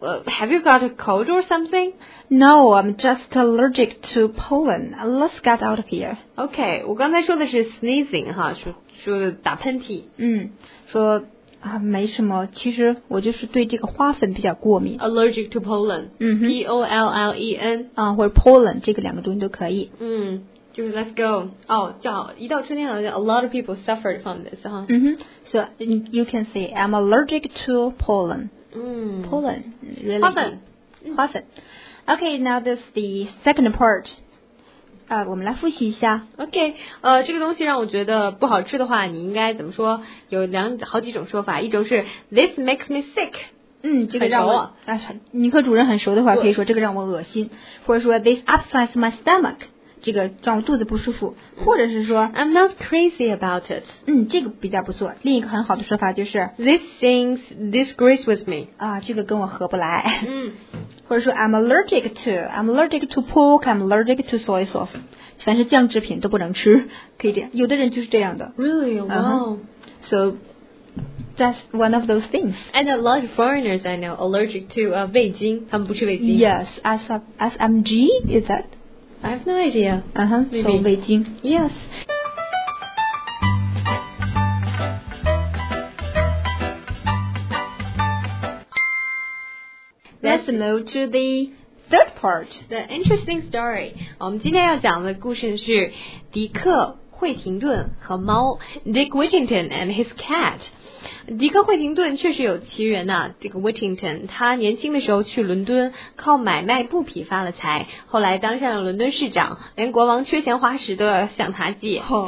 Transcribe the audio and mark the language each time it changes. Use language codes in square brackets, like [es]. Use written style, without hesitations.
[en] Have you got a cold or something? No, I'm just allergic to pollen. Let's get out of here. [zh] Okay, 我刚才说的是 sneezing, 哈，说打喷嚏。说啊，没什么，其实我就是对这个花粉比较过敏。 [en] Allergic to pollen， P-O-L-L-E-N， [zh] 啊，或者 pollen， 这个两个东西都可以。嗯，就是 [en] let's go， [zh] 哦，叫一到春天好像 [en] a lot of people suffered from this， [zh] 哈。 [en] 嗯哼 ，so you can say I'm allergic to pollen。嗯，pollen， really。 [zh] 花粉。 [en] Okay， now this is the second part。 [zh] 我们来复习一下。 OK， 这个东西让我觉得不好吃的话，你应该怎么说？有好几种说法，一种是 [en] This makes me sick。 [zh] 嗯，这个让我，你和主人很熟的话，可以说这个让我恶心，或者说 [en] This upsets my stomach， [zh] 这个让我肚子不舒服，或者是说 [en] I'm not crazy about it。 [zh] 嗯，这个比较不错。另一个很好的说法就是 [en] This thing disagrees with me。 [zh] 啊，这个跟我合不来。嗯。或者说 [en] I'm allergic to pork, I'm allergic to soy sauce, [zh] 凡是酱制品都不能吃，可以这样，有的人就是这样的。 [en] Really? Wow. So, that's one of those things. And a lot of foreigners I know allergic to 味精， [zh] 他们不吃味精。 [en] Yes, SMG, is that? I have no idea. Maybe. So, 味精。 Yes. Let's move to the third part. The interesting story. [zh] 我们今天要讲的故事是迪克·惠廷顿和猫 Dick Whittington and his cat. 迪克·惠廷顿确实有奇缘呢。Dick Whittington 他年轻的时候去伦敦靠买卖布匹发了财，后来当上了伦敦市长，连国王缺钱花时都要向他借。